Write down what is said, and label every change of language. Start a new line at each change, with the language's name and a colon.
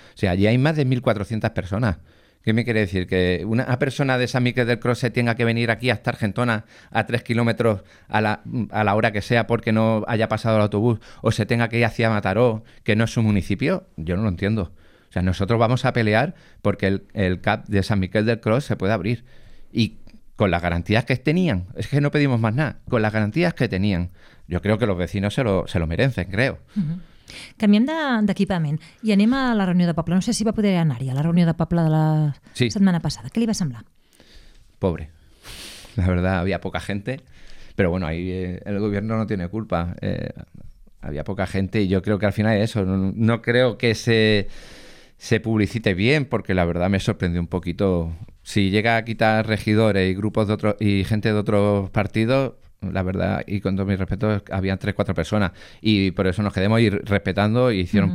Spanish: O sea, allí hay más de 1.400 personas. ¿Qué me quiere decir? ¿Que una persona de San Miguel del Cross se tenga que venir aquí hasta Argentona a 3 kilómetros a la hora que sea porque no haya pasado el autobús, o se tenga que ir hacia Mataró, que no es su municipio? Yo no lo entiendo. O sea, nosotros vamos a pelear porque el CAP de San Miguel del Cross se pueda abrir. Y con las garantías que tenían, es que no pedimos más nada, con las garantías que tenían, yo creo que los vecinos se lo merecen, creo. Uh-huh.
Catalan: Canviem d'equipament i anem a la reunió de poble. No sé si va poder anar-hi a la reunió de poble de la sí. setmana passada. Què li va semblar?
Spanish: Pobre. La verdad, había poca gente. Pero bueno, ahí el gobierno no tiene culpa. Había poca gente y yo creo que al final es eso. No creo que se publicite bien, porque la verdad me sorprendió un poquito. Si llega a quitar regidores y grupos de otros y gente de otros partidos, la verdad, y con todo mi respeto, había 3-4 personas y por eso nos quedamos ir respetando. E hicieron uh-huh.